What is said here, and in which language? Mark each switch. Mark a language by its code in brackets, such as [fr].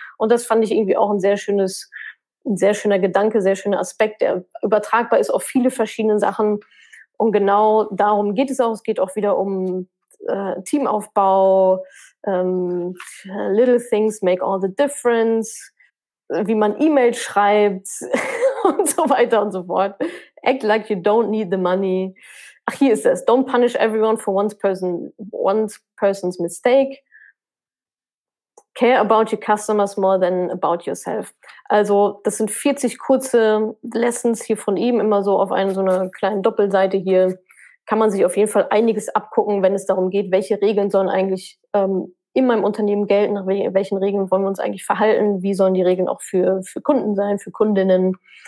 [de] Und das fand ich irgendwie auch ein sehr schöner Gedanke, sehr schöner Aspekt, der übertragbar ist auf viele verschiedene Sachen. Und genau darum geht es auch. Es geht auch wieder um Teamaufbau, [en] little things make all the difference, [de] wie man E-Mails schreibt und so weiter und so fort. [en] Act like you don't need the money. [de] Ach, hier ist es. [en] Don't punish everyone for one person's mistake. care about your customers more than about yourself. [de] Also, das sind 40 kurze Lessons hier von ihm, immer so auf einer so einer kleinen Doppelseite hier. Kann man sich auf jeden Fall einiges abgucken, wenn es darum geht, welche Regeln sollen eigentlich in meinem Unternehmen gelten, nach welchen Regeln wollen wir uns eigentlich verhalten, wie sollen die Regeln auch für Kunden sein, für Kundinnen.